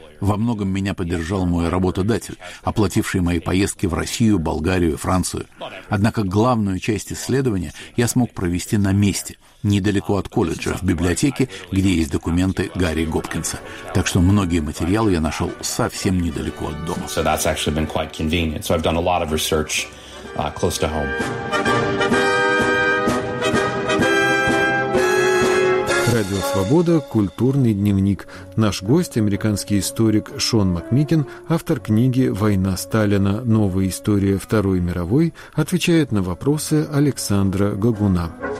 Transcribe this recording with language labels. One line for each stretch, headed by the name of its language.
Russian: Во многом меня поддержал мой работодатель, оплативший мои поездки в Россию, Болгарию и Францию. Однако главную часть исследования я смог провести на месте, недалеко от колледжа, в библиотеке, где есть документы Гарри Гопкинса. Так что многие материалы я нашел совсем недалеко от дома.
English: So that's actually been quite convenient. So I've done a lot of research close to home.
Russian: Радио «Свобода», культурный дневник. Наш гость – американский историк Шон Макмикен, автор книги «Война Сталина. Новая история Второй мировой», отвечает на вопросы Александра Гагуна.